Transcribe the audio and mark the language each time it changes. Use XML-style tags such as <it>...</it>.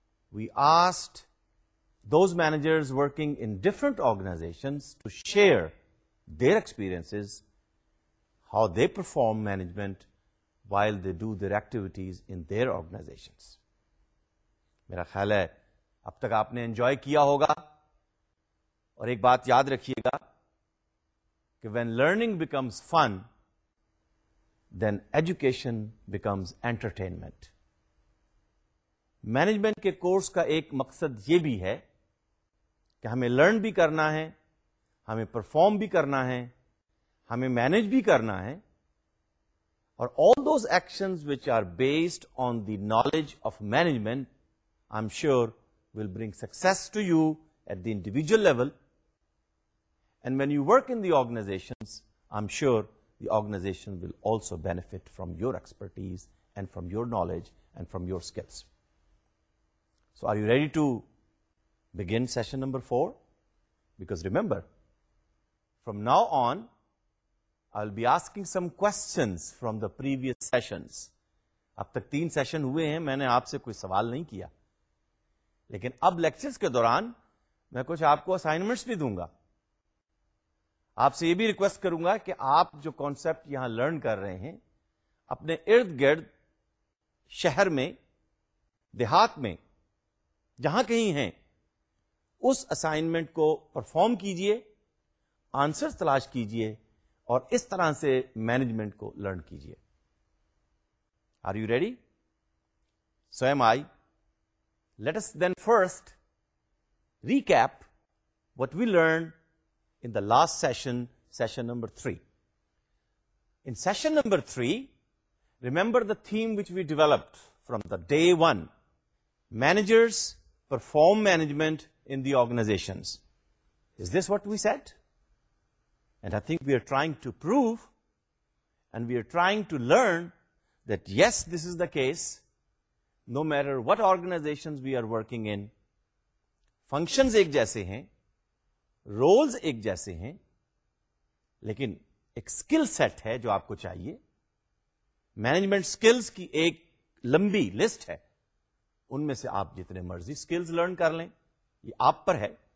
<en>We asked those managers working in different organizations to share their experiences, how they perform management while they do their activities in their organizations.</en> <ur>میرا خیال ہے اب تک آپ نے enjoy کیا ہوگا, اور ایک بات یاد رکھیے گا کہ</ur> <en>when learning becomes fun, then education becomes entertainment.</en> <ur>Management کے کورس کا ایک مقصد یہ بھی ہے کہ ہمیں لرن بھی کرنا ہے, ہمیں پرفارم بھی کرنا ہے, ہمیں مینج بھی کرنا ہے, اور</ur> <en>all those actions which are based on the knowledge of management, I'm sure will bring success to you at the individual level. And when you work in the organizations, I'm sure the organization will also benefit from your expertise and from your knowledge and from your skills. So are you ready to begin session number 4? Because remember, from now on, I'll be asking some questions from the previous sessions.</en> <ur>اب تک 3 session ہوئے ہیں, میں نے آپ سے کوئی سوال نہیں کیا, لیکن اب لیکچرز کے دوران میں کچھ آپ کو اسائنمنٹس بھی دوں گا. آپ سے یہ بھی ریکویسٹ کروں گا کہ آپ جو کانسیپٹ یہاں لرن کر رہے ہیں, اپنے ارد گرد شہر میں, دیہات میں, جہاں کہیں ہیں, اس اسائنمنٹ کو پرفارم کیجئے, آنسرز تلاش کیجئے, اور اس طرح سے مینجمنٹ کو لرن کیجئے.</ur> <en>Are you ready? So am I. Let us then first recap what we learned in the last session, session number 3. In session number 3, remember the theme which we developed from the day 1. Managers perform management in the organizations. Is this what we said? And I think we are trying to prove and we are trying to learn that yes, this is the case. No matter what organizations we are working in,</en> <ur>functions ایک جیسے ہیں, roles ایک جیسے ہیں, لیکن ایک skill set ہے جو آپ کو چاہیے. Management skills کی ایک لمبی list ہے, ان میں سے آپ جتنے مرضی skills learn کر لیں, یہ آپ پر ہے.</ur>